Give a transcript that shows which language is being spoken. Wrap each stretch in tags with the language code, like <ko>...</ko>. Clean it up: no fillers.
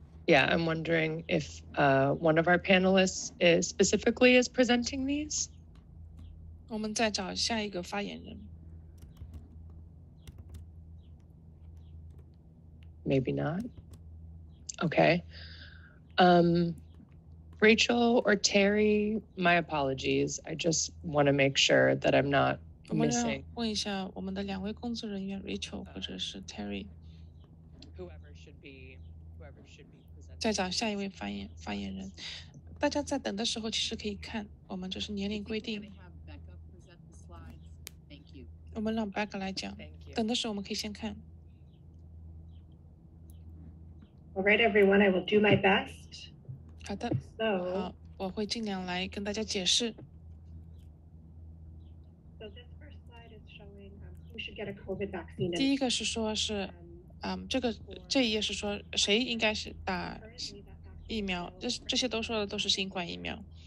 <en>I'm wondering if one of our panelists specifically is presenting these.</en> <zh>我们再找下一个发言人。</zh> <en>Maybe not. Okay. Rachel or Terry, my apologies. I just want to make sure that I'm not missing.</en> <zh>我们要问一下我们的两位工作人员, Rachel 或者是 Terry.</zh> <en>Whoever should be presenting.</en> <zh>再找下一位发言人。大家在等的时候其实可以看, 我们就是年龄规定。我们让Becca来讲, 等的时候我们可以先看。</zh> <en>All right, everyone, I will do my best.</en> <zh>好的,</zh> <en>so,</en> <zh>我会尽量来跟大家解释。</zh> <en>So this first slide is showing who should get a COVID vaccine.</en> <zh>第一个是说是, 这一页是说谁应该是打疫苗, 这些都说的都是新冠疫苗。</zh>